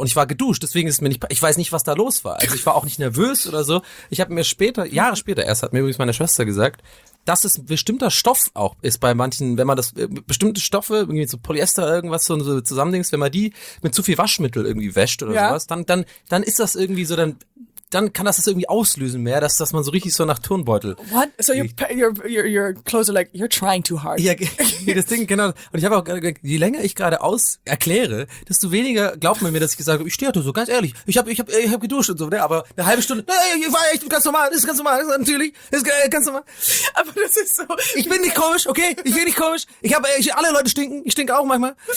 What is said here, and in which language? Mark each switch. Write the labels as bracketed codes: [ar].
[de] Und ich war geduscht, deswegen ist es mir nicht, ich weiß nicht, was da los war. Also ich war auch nicht nervös oder so. Ich habe mir später, Jahre später erst, hat mir übrigens meine Schwester gesagt, dass es bestimmter Stoff auch ist bei manchen, wenn man das bestimmte Stoffe, irgendwie so Polyester oder irgendwas so, so zusammendingst, wenn man die mit zu viel Waschmittel irgendwie wäscht oder sowas, dann ist das irgendwie so, dann kann das irgendwie auslösen mehr, dass man so richtig so nach Turnbeutel. [en] What? So your clothes are like, you're trying too hard. [de] Ja, das Ding, genau. Und ich habe auch, je länger ich gerade aus erkläre, desto weniger glaubt man mir, dass ich gesagt habe, ich stehe da so, ganz ehrlich, ich hab geduscht und so, ne? Aber eine halbe Stunde, hey, ich war echt ganz normal, ist ganz normal, ist natürlich, ist ganz normal. Aber das ist so. Ich bin nicht komisch, okay? Ich bin nicht komisch. Alle Leute stinken, ich stinke auch manchmal.